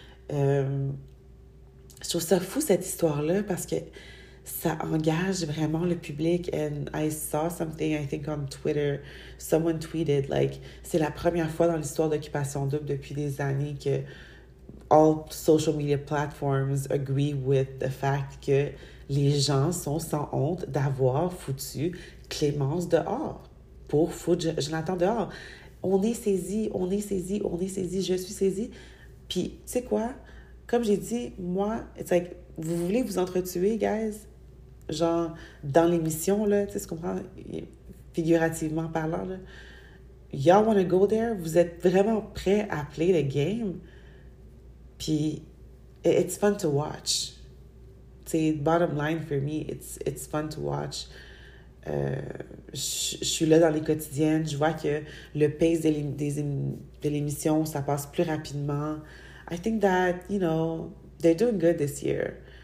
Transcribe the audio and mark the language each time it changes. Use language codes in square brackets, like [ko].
[fr] Je trouve ça fou, cette histoire-là, parce que ça engage vraiment le public. [en] And I saw something, I think, on Twitter. Someone tweeted, like, [fr] c'est la première fois dans l'histoire d'Occupation Double depuis des années que [en] all social media platforms agree with the fact [fr] que les gens sont sans honte d'avoir foutu Clémence dehors. Pour foutre Jonathan dehors. On est saisi, on est saisi, on est saisi, je suis saisie. Puis, tu sais quoi? Comme j'ai dit, moi, it's like, vous voulez vous entretuer, guys? Genre, dans l'émission, là, tu sais, tu comprends? Figurativement parlant, là. [en] Y'all wanna go there? [fr] Vous êtes vraiment prêts à [en] play the game? Puis, it's fun to watch. Tu sais, bottom line for me, it's fun to watch. [fr] Je suis là dans les quotidiennes, je vois que le pace de l'émission, ça passe plus rapidement. [en] I think that, you know, they're doing good this year.